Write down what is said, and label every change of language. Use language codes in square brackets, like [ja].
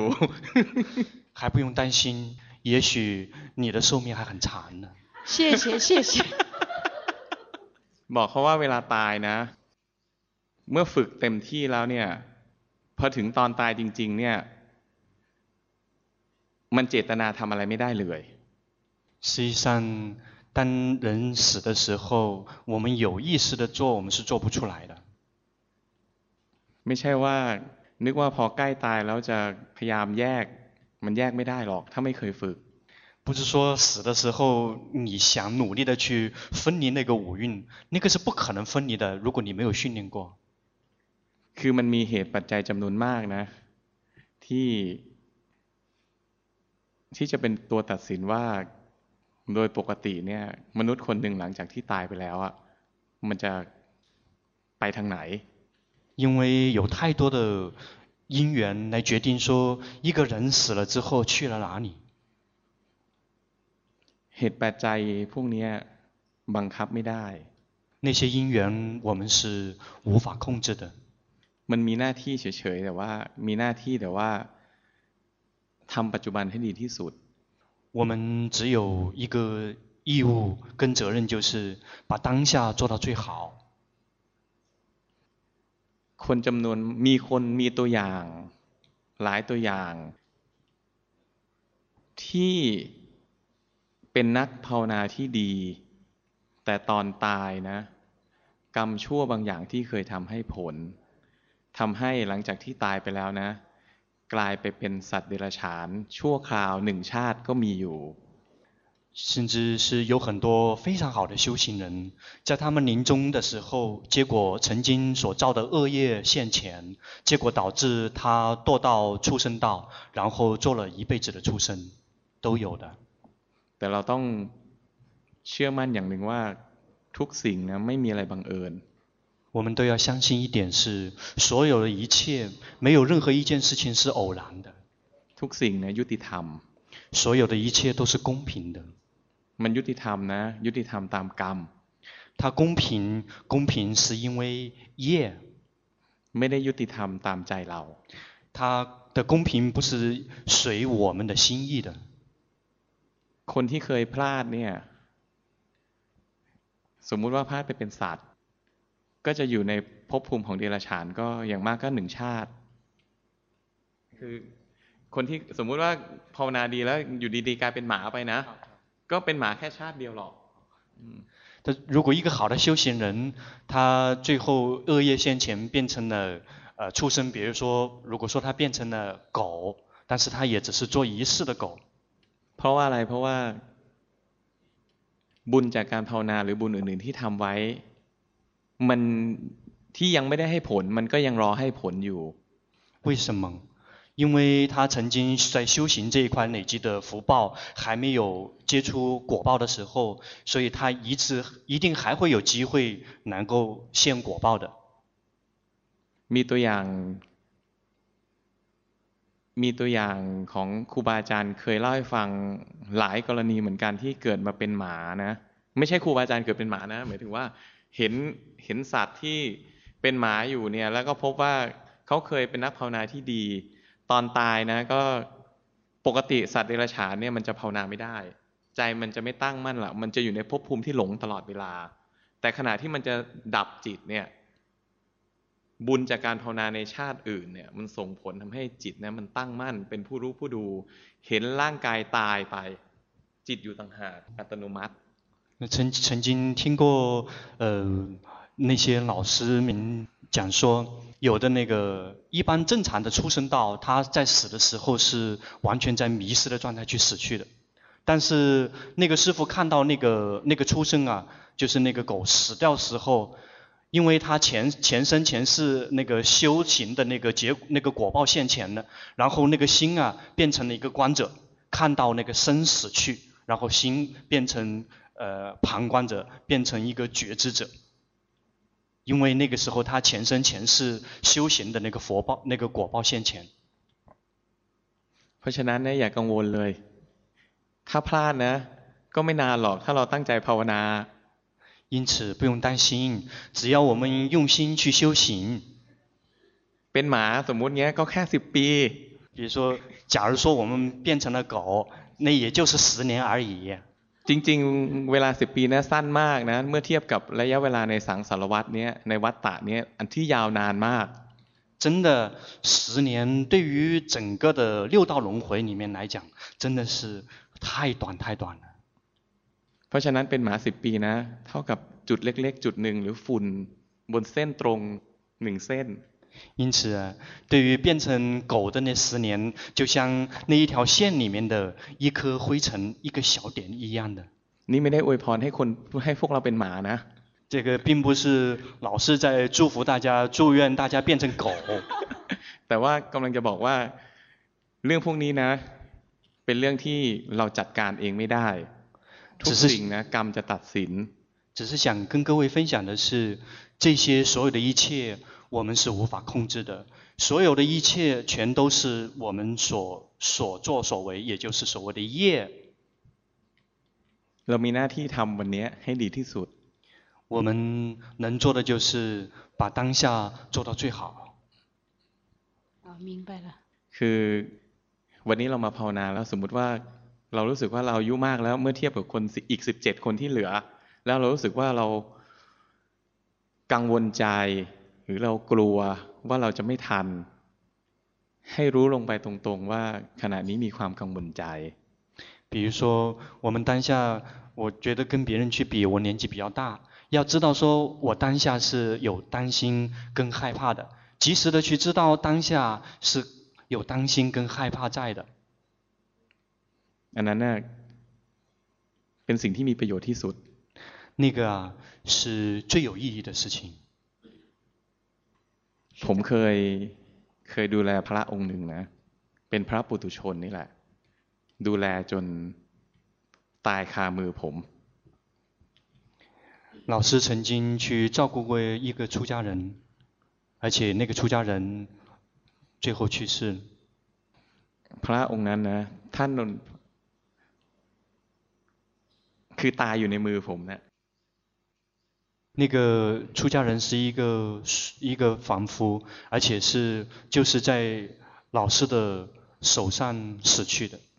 [zh] 还不用担心也许你的寿命还很长呢谢谢谢谢 [th] บอกเขาว่าเวลาตายนะเมื่อฝึกเต็มที่แล้วเนี่ยพอถึงตอนตายจริงๆเนี่ยมันเจตนาทำอะไรไม่ได้เลย [zh] 实际上当人死的时候我们有意识的做我们是做不出来的 [th] ไม่ใช่ว่านึกว่าพอใกล้ตายแล้วจะพยายามแยกมันแยกไม่ได้หรอกถ้าไม่เคยฝึก [zh] 不是说死的时候你想努力的去分离那个五蕴那个是不可能分离的如果你没有训练过 [th] คือมันมีเหตุปัจจัยจำนวนมากนะที่จะเป็นตัวตัดสินว่าโดยปกติเนี่ยมนุษย์คนหนึ่งหลังจากที่ตายไปแล้วอ่ะมันจะไปทางไหน [zh] 因为有太多的因缘来决定说一个人死了之后去了哪里 [th] เหตุปัจจัยพวกนี้บังคับไม่ได้ [zh] 那些因缘我们是无法控制的 [th] มันมีหน้าที่เฉยๆแต่ว่ามีหน้าที่แต่ว่าทำปัจจุบันให้ดีที่สุด [zh] 我们只有一个义务跟责任就是把当下做到最好 [th] คนจำนวนมีคนมีตัวอย่างหลายตัวอย่างที่เป็นนักภาวนาที่ดีแต่ตอนตายนะกรรมชั่วบางอย่างที่เคยทำให้ผลทำให้หลังจากที่ตายไปแล้วนะกลายไปเป็นสัตว์เดรัจฉานชั่วคราวหนึ่งชาติก็มีอยู่ [zh] 甚至是有很多非常好的修行人在他们临终的时候结果曾经所造的恶业现前结果导致他堕到畜生道然后做了一辈子的畜生都有的 [th] แต่เราต้องเชื่อมั่นอย่างหนึ่งว่าทุกสิ่งนะไม่มีอะไรบังเอิญ [zh] 我们都要相信一点是所有的一切没有任何一件事情是偶然的 [th] ทุกสิ่งนะยุติธรรม [zh] 所有的一切都是公平的 [th] มันยุติธรรมนะยุติธรรมตามกรรม [zh] 他公平公平是因为业 [th] ไม่ได้ยุติธรรมตามใจเรา [zh] 他的公平不是随我们的心意的 [th] คนที่เคยพลาดเนี่ยสมมุติว่าพลาดไปเป็นสัตว์ก็จะอยู่ในภพภูมิของเดรัจฉานก็อย่างมากก็หนึ่งชาติคือคนที่สมมุติว่าภาวนาดีแล้วอยู่ดีๆกลายเป็นหมาไปนะก็เป็นหมาแค่ชาติเดียวหรอก [zh] 如果一个好的修行人他最后恶业现前变成了畜生比如说如果说他变成了狗但是他也只是做一世的狗 [th] เพราะว่าอะไรเพราะว่าบุญจากการภาวนาหรือบุญอื่นๆที่ทำไว้มันที่ยังไม่ได้ให้ผลมันก็ยังรอให้ผลอยู่ [zh] 为什么因为他曾经在修行这一块累积的福报还没有结出果报的时候所以他一直一定还会有机会能够现果报的 [th] มีตัวอย่างมีตัวอย่างของครูบาอาจารย์เคยเล่าให้ฟังหลายกรณีเหมือนกันที่เกิดมาเป็นหมานะไม่ใช่ครูบาอาจารย์เกิดเป็นหมานะหมายถึงว่าเห็นสัตว์ที่เป็นหมาอยู่เนี่ยแล้วก็พบว่าเขาเคยเป็นนักภาวนาที่ดีตอนตายนะก็ปกติสัตว์เดรัจฉานเนี่ยมันจะภาวนาไม่ได้ใจมันจะไม่ตั้งมั่นหรอกมันจะอยู่ในภพภูมิที่หลงตลอดเวลาแต่ขณะที่มันจะดับจิตเนี่ย บุญจากการภาวนาในชาติอื่นเนี่ยมันส่งผลทำให้จิตเนี่ยมันตั้งมั่นเป็นผู้รู้ผู้ดูเห็นร่างกายตายไปจิตอยู่ต่างหากอัตโนมัติ [zh] 曾经听过那些老师们讲说有的那个一般正常的出生道他在死的时候是完全在迷失的状态去死去的但是那个师父看到那个出生啊就是那个狗死掉时候因为他前生前世那个修行的那个结果那个果报现前的然后那个心啊变成了一个观者看到那个生死去然后心变成旁观者变成一个觉知者因为那个时候他前生前世修行的那个佛报那个果报现前 [th] เพราะฉะนั้นอย่ากังวลเลยถ้าพลาดนะก็ไม่นานหรอกถ้าเราตั้งใจภาวนา [zh] 因此不用担心只要我们用心去修行 [th] เป็นหมาสมมุติเงี้ยก็แค่10ปี [zh] 比如说假如说我们变成了狗那也就是十年而已 [th] จริงๆเวลา10ปีนะสั้นมากนะเมื่อเทียบกับระยะเวลาในสังสารวัฏเนี้ยในวัฏฏะเนี้ยอันที่ยาวนานมาก [zh] 真的十年对于整个的六道轮回里面来讲真的是太短太短了 [th] เพราะฉะนั้นเป็นหมา10ปีนะเท่ากับจุดเล็กๆจุดหนึ่งหรือฝุ่นบนเส้นตรง1เส้น [zh] 因此对于变成狗的那十年就像那一条线里面的一颗灰尘一个小点一样的你没得 [th] อวยพรให้คนให้พวกเราเป็นหมานะ [zh] 这个并不是老师在祝福大家祝愿大家变成狗 [th] แต่ว่ากำลังจะบอกว่าเรื่องพวกนี้นะเป็นเรื่องที่เราจัดการเองไม่ได้ทุกสิ่งนะกรรมจะตัดสิน [zh] 只是想跟各位分享的是这些所有的一切我们是无法控制的所有的一切全都是我们所作所为也就是所谓的业 [th] เรามีหน้าที่ทำวันนี้ให้ดีที่สุด [zh] 我们能做的就是把当下做到最好明白了 [th] คือวันนี้เรามาภาวนาแล้วสมมติว่าเรารู้สึกว่าเราอายุมากแล้วเมื่อเทียบกับคนอีก17คนที่เหลือแล้วเรารู้สึกว่าเรากังวลใจหรือเรากลัวว่าเราจะไม่ทันให้รู้ลงไปตรงๆว่าขณะนี้มีความกังวลใจ [zh] 比如说我们当下我觉得跟别人去比我年纪比较大要知道说我当下是有担心跟害怕的及时的去知道当下是有担心跟害怕在的 [th] อันนั้นน่ะเป็นสิ่งที่มีประโยชน์ที่สุด [zh] 那个啊是最有意义的事情 [th] ผมเคยดูแลพระองค์หนึ่งนะเป็นพระปุถุชนนี่แหละดูแลจนตายคามือผม [zh] 老师曾经去照顾过一个出家人而且那个出家人最后去世 [th] พระองค์นั้นนะท่านคือตายอยู่ในมือผมเนี่ย [zh] 那个出家人是一个凡夫，而且是就是在老师的手上死去的。